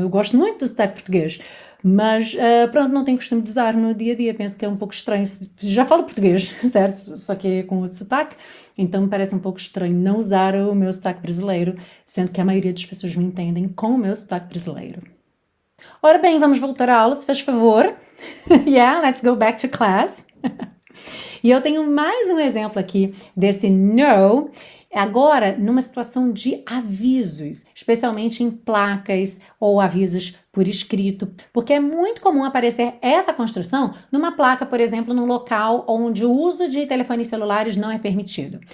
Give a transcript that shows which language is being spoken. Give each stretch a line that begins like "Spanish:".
Portuguese: Eu gosto muito do sotaque português, mas pronto, não tenho costume de usar no dia a dia. Penso que é um pouco estranho. Já falo português, certo? Só que com outro sotaque. Então me parece um pouco estranho não usar o meu sotaque brasileiro, sendo que a maioria das pessoas me entendem com o meu sotaque brasileiro. Ora bem, vamos voltar à aula, se faz favor.
English: Yeah, let's go back to class.
Portuguese: E eu tenho mais um exemplo aqui desse no, agora numa situação de avisos, especialmente em placas ou avisos por escrito, porque é muito comum aparecer essa construção numa placa, por exemplo, num local onde o uso de telefones celulares não é permitido.